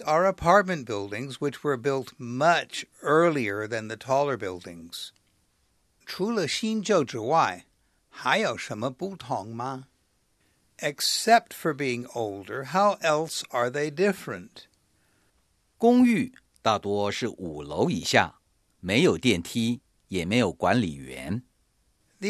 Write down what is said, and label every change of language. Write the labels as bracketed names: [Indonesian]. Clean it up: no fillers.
[English] are apartment buildings which were built much earlier than the taller buildings. [Chinese] 除了新旧之外，还有什么不同吗? [English] Except for being older, how else are they different? [Chinese] 公寓大多是五楼以下，没有电梯，也没有管理员。 [English] The